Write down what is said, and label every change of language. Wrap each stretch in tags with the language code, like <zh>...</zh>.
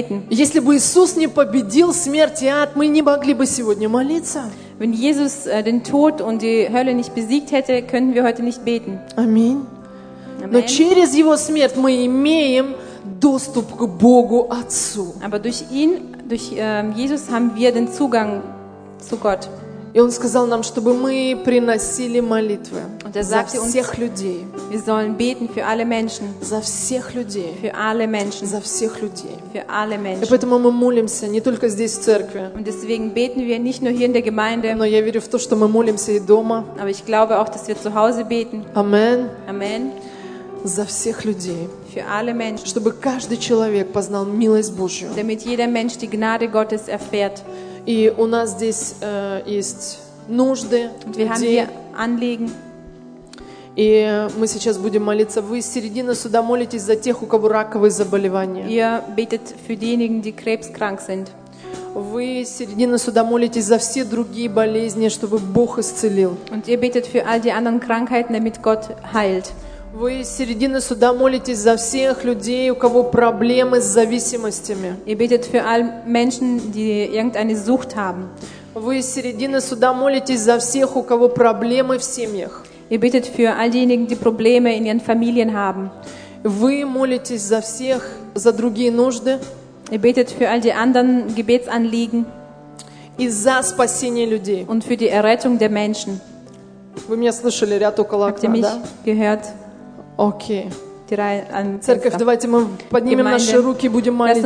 <ru>Если бы Иисус не победил смерть и ад, мы не могли бы сегодня молиться.</ru> <de>Wenn Jesus den Tod und die Hölle nicht besiegt hätte, könnten wir heute nicht beten.</de> <ru>Аминь. Но через Его смерть мы имеем доступ к Богу Отцу.</ru> <de>Aber durch ihn, durch Jesus haben wir den Zugang zu Gott.</de> <ru>И Он сказал нам, чтобы мы приносили молитвы за всех людей.</ru> <de>Wir sollen beten für alle Menschen.</de> <ru>За всех людей.</ru> <de>Für alle Menschen.</de> <ru>За всех людей.</ru> <de>Für alle Menschen.</de> <ru>И поэтому мы молимся не только здесь, в церкви.</ru> <de>Und deswegen beten wir nicht nur hier in der Gemeinde.</de> <ru>Но я верю в то, что мы молимся и дома.</ru> <de>Aber ich glaube auch, dass wir zu Hause beten. Amen. Amen.</de> <ru>За всех людей.</ru> <de>Für alle Menschen.</de> <ru>Чтобы каждый человек познал милость Божью.</ru> <de>Damit jeder Mensch die Gnade Gottes erfährt.</de> <ru>И у нас здесь есть нужды, где. И мы сейчас будем молиться. Вы с середины сюда молитесь за тех, у кого раковые заболевания.</ru> <de>Ihr betet für diejenigen, die krebskrank sind.</de> <ru>Вы с середины сюда молитесь за все другие болезни, чтобы Бог исцелил.</ru> <de>Und ihr betet für all die anderen Krankheiten, damit Gott heilt.</de> <ru>Вы с середины сюда молитесь за всех людей, у кого проблемы с зависимостями.</ru> <de>Ihr betet für all Menschen, die irgendeine Sucht haben.</de> <ru>Вы с середины сюда молитесь за всех, у кого проблемы в семьях.</ru> <de>Ihr betet für all diejenigen, die Probleme in ihren Familien haben.</de> <ru>Вы молитесь за всех, за другие нужды.</ru> <de>Ihr betet für all die anderen Gebetsanliegen.</de> <ru>И за спасение людей.</ru> <de>Und für die Errettung der Menschen.</de> <ru>Вы меня слышали, ряд около окна, да?</ru> <de>Habt ihr mich gehört? Okay.</de> <ru>Церковь, давайте мы поднимем</ru> <de>Gemeinde.</de> <ru>Наши руки и будем молиться.</ru>